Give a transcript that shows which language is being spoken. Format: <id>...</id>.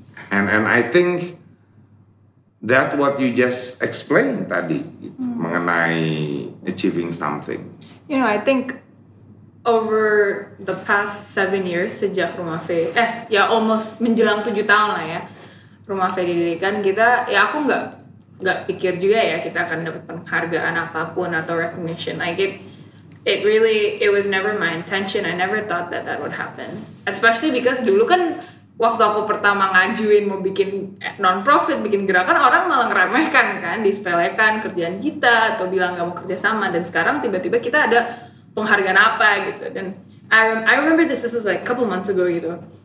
<en>And I think that what you just explained</en> <id>tadi gitu, mengenai</id> <en>achieving something. You know, I think over the past 7 years</en> <id>sejak Rumah V,</id> <en>almost</en> <id>menjelang 7 tahun lah ya Rumah V didirikan, kita, ya aku gak pikir juga ya kita akan dapat penghargaan apapun atau recognition.</id> <en>Like it was never my intention. I never thought that would happen. Especially because</en> <id>dulu kan waktu aku pertama ngajuin mau bikin non-profit, bikin gerakan, orang malah ngeremehkan kan, disepelekan kerjaan kita atau bilang gak mau kerjasama. Dan sekarang tiba-tiba kita ada penghargaan apa gitu. Dan</id> <en>I remember this was like a couple months ago</en> <id>gitu.</id>